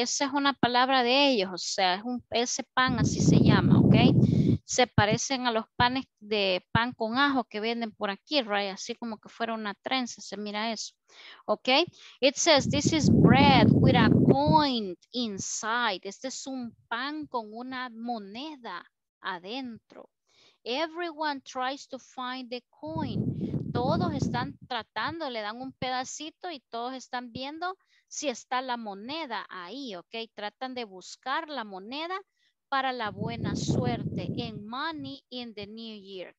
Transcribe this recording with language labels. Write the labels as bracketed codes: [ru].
[es] Esa es una palabra de ellos, o sea, es un, ese pan así se llama, ok. Se parecen a los panes de pan con ajo que venden por aquí, right? Así como que fuera una trenza, se mira eso. [en] Ok, it says this is bread with a coin inside. [es] Este es un pan con una moneda adentro. [en] Everyone tries to find the coin. [es] Todos están tratando, le dan un pedacito y todos están viendo si está la moneda ahí, ok. Tratan de buscar la moneda para la buena suerte, en money in the new year.